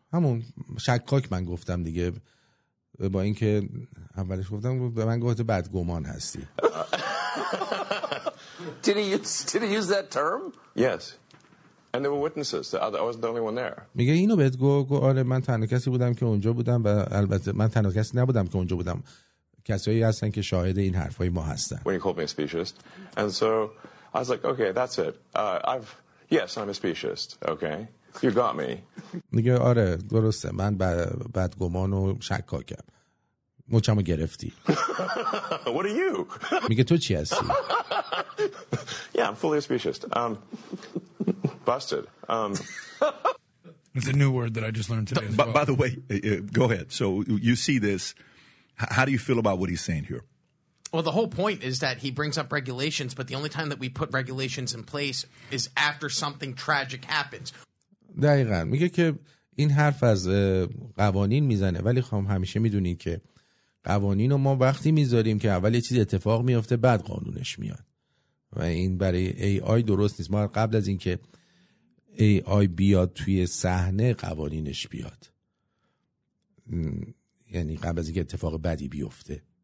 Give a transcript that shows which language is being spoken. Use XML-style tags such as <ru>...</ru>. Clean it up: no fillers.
<fa>همون شکاک من گفتم دیگه، با این که اولش گفتم به من گفت بدگمان هستی.</fa> <en>Did he use that term? Yes. And there were witnesses. I wasn't the only one there.</en> <fa>میگه اینو بهت گفت، آره من تنها کسی بودم که اونجا بودم، و البته من تنها کسی نبودم که اونجا بودم. کسایی هستن که شاهد این حرفای ما هستن.</fa> <en>When he called me a speciesist. And so I was like, okay, that's it. Yes, I'm a speciesist. Okay. You got me.</en> <fa>میگه آره درسته، من بدگمان و شکاکم. مچمو گرفتی.</fa> <en>What are you?</en> <fa>میگه تو چی هستی؟</fa> <en>Yeah, I'm fully a speciesist. Busted. It's a new word that I just learned today. By the way, go ahead. So you see this, how do you feel about what he's saying here? Well, the whole point is that he brings up regulations, but the only time that we put regulations in place is after something tragic happens.</en> <fa>دقیقا میگه که این حرف از قوانین میزنه، ولی خب همیشه میدونید که قوانین رو ما وقتی میذاریم که اول یه چیز اتفاق میفته بعد قانونش میاد، و این برای AI درست نیست. ما قبل از اینکه AI بیاد توی صحنه قوانینش بیاد، یعنی قبل از اینکه اتفاق بدی بیفته.</fa>